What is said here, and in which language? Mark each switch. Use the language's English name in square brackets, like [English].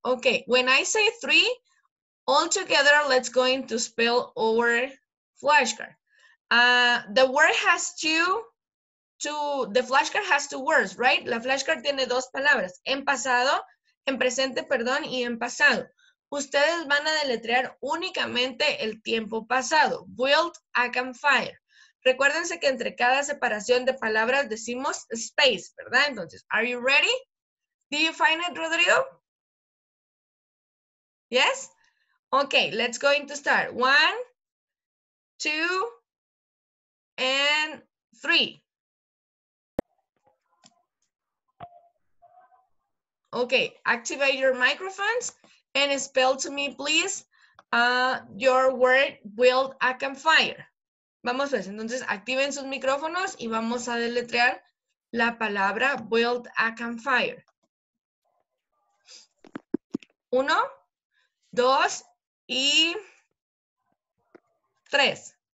[English] Okay, when I say three, all together, let's going to spell our flashcard. The word has the flashcard has two words, right? [Spanish] La flashcard tiene dos palabras, en pasado, en presente, perdón, y en pasado. Ustedes van a deletrear únicamente el tiempo pasado. Build a campfire. Recuérdense que entre cada separación de palabras decimos space, ¿verdad? [English] Entonces, are you ready? Do you find it, Rodrigo? Yes? Okay, let's going to start. One, two, and three. Okay, activate your microphones and spell to me, please, your word, build a campfire. [Spanish] Vamos pues, entonces activen sus micrófonos y vamos a deletrear la palabra build a campfire. Uno, dos y tres.